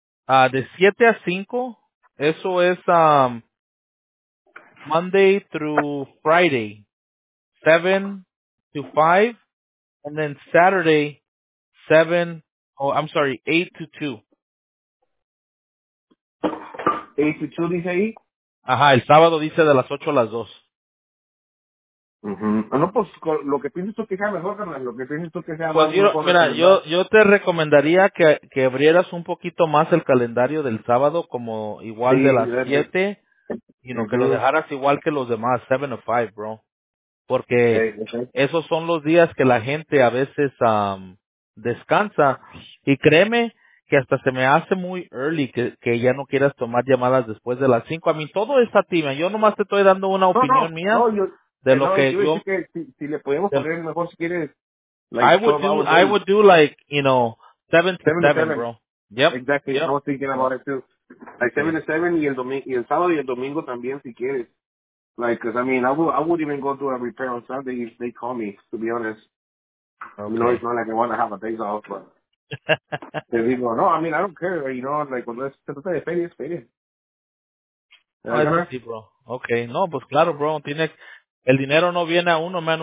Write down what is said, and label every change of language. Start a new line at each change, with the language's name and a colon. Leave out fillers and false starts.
Spanish: de 7 a 5, eso es
English: Monday through Friday, 7 to 5, and then Saturday, 7, oh, I'm sorry, 8 to 2.
Spanish: 8 to 2 dice ahí? Ajá, el sábado dice de las 8 a las 2. No, pues lo que pienses tú que sea mejor, carnal, lo que pienses tú que sea pues más yo, mira, yo te recomendaría que abrieras un poquito más el calendario del sábado, como igual sí, de las 7, y you know, que lo dejaras igual que los demás, 7 to 5, bro. Porque esos son los días que la gente a veces descansa. Y créeme que hasta se me hace muy early que ya no quieras tomar llamadas después de las 5. A mí todo es a ti, man. Yo nomás te estoy dando una opinión mía. De no, lo que yo que si le podemos poner mejor si quieres like,
English: I would do like you know 7 to 7, bro. Yep. Exactly. Yep. I was thinking about it too.
Spanish: Like 7 to 7 y el domingo y el sábado y el domingo también si quieres.
English: Like, cause I mean I would even go to a repair on Sunday if they call me. To be honest, okay. You know it's not like I want to have a day off, but
Spanish: te digo no.
English: I mean I don't care. You know like
Spanish: cuando se trata de ferias, ferias. Sí, bro. Okay. No, pues claro, bro. Tiene el dinero no viene a uno, man.